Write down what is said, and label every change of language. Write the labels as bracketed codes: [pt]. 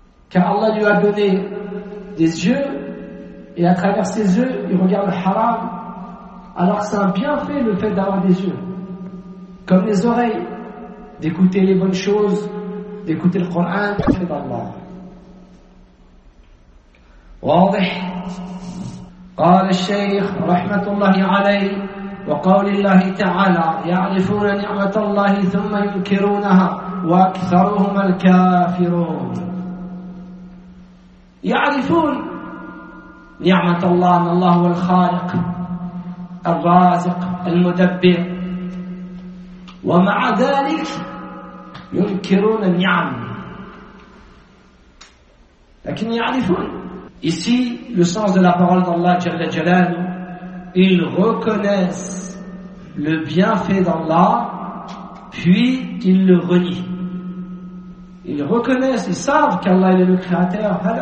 [fr] Car Allah lui a donné des yeux, et à travers ses yeux, il regarde le haram. Alors c'est un bienfait le fait d'avoir des yeux. Comme les oreilles, d'écouter les bonnes choses, d'écouter le Coran, le fait d'Allah. [ar] واضح. قال الشيخ رحمة الله عليه وقول الله تعالى يعرفون نعمة الله ثم ينكرونها وأكثرهم الكافرون. يعرفون نعمة الله، أن الله هو الخالق الرازق المدبر، ومع ذلك ينكرون النعم. لكن يعرفون [fr] ici le sens de la parole d'Allah Jalla Jalal. Ils reconnaissent le bienfait d'Allah, puis ils le renient. Ils reconnaissent, ils savent qu'Allah est le créateur.